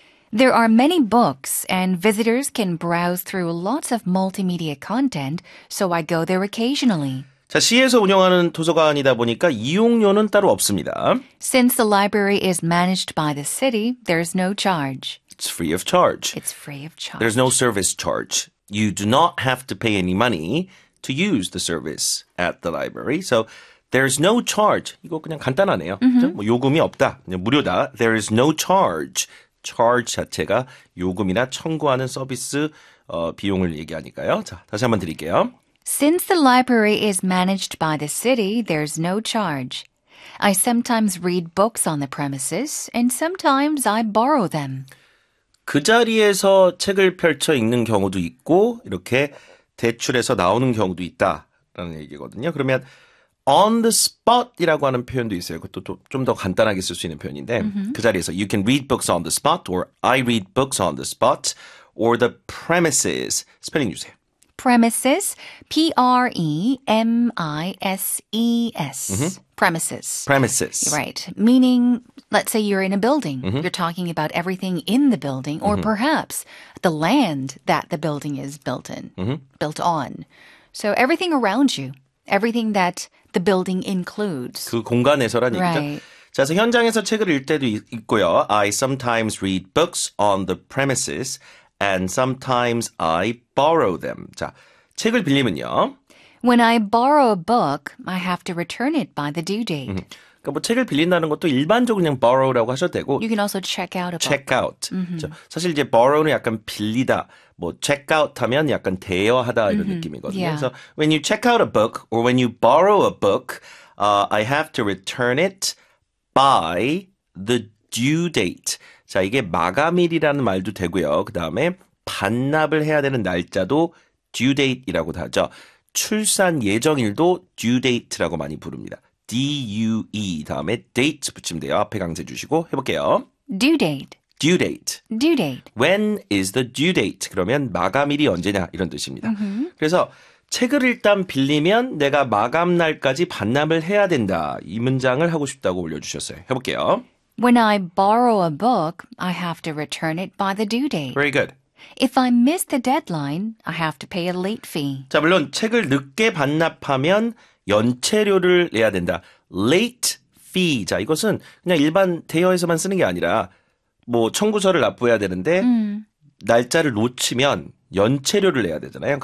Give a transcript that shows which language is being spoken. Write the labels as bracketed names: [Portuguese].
[English] There are many books, and visitors can browse through lots of multimedia content, so I go there occasionally. [Korean] 자, 시에서 운영하는 도서관이다 보니까 이용료는 따로 없습니다. [English] Since the library is managed by the city, there's no charge. It's free of charge. It's free of charge. There's no service charge. You do not have to pay any money to use the service at the library, so... There's no charge. [Korean] 이거 그냥 간단하네요. Mm-hmm. 뭐 요금이 없다. 그냥 무료다. [English] There is no charge. [Korean] Charge 자체가 요금이나 청구하는 서비스 비용을 얘기하니까요. 자, 다시 한번 드릴게요. [English] Since the library is managed by the city, there's no charge. I sometimes read books on the premises, and sometimes I borrow them. [Korean] 그 자리에서 책을 펼쳐 읽는 경우도 있고, 이렇게 대출해서 나오는 경우도 있다라는 얘기거든요. 그러면 on the spot이라고 하는 표현도 있어요. 그것도 좀 더 간단하게 쓸 수 있는 표현인데, mm-hmm. 그 자리에서 [English] you can read books on the spot, or I read books on the spot, or the premises. [Korean] 스펠링 주세요. [English] Premises, P-R-E-M-I-S-E-S, mm-hmm. premises. Premises. Right. Meaning, let's say you're in a building. Mm-hmm. You're talking about everything in the building, or mm-hmm. perhaps the land that the building is built in, mm-hmm. built on. So everything around you, everything that the building includes. [Korean] 그 공간에서란 얘기죠. [English] Right. [Korean] 자, 그래서 현장에서 책을 읽 때도 있고요. [English] I sometimes read books on the premises. And sometimes I borrow them. [Korean] 자, 책을 빌리면요. [English] When I borrow a book, I have to return it by the due date. [Korean] 그러니까 뭐 책을 빌린다는 것도 일반적으로 그냥 borrow라고 하셔도 되고. [English] You can also check out a book. Check out. Mm-hmm. [Korean] 사실 이제 borrow는 약간 빌리다. 뭐 check out 하면 약간 대여하다 이런 mm-hmm. 느낌이거든요. [English] Yeah. 그래서 when you check out a book or when you borrow a book, I have to return it by the due date. [Korean] 자, 이게 마감일이라는 말도 되고요. 그 다음에 반납을 해야 되는 날짜도 due date이라고도 하죠. 출산 예정일도 due date라고 많이 부릅니다. D-U-E 다음에 date 붙이면 돼요. 앞에 강제 주시고 해볼게요. [English] Due date. Due date. Due date. When is the due date? [Korean] 그러면 마감일이 언제냐 이런 뜻입니다. Mm-hmm. 그래서 책을 일단 빌리면 내가 마감날까지 반납을 해야 된다. 이 문장을 하고 싶다고 올려주셨어요. 해볼게요. [English] When I borrow a book, I have to return it by the due date. Very good. If I miss the deadline, I have to pay a late fee. [Korean] 자, 물론 책을 늦게 반납하면 연체료를 내야 된다. [English] Late fee. [Korean] 자, 이것은 그냥 일반 대여에서만 쓰는 게 아니라 뭐 청구서를 납부해야 되는데 날짜를 놓치면 연체료를 내야 되잖아요.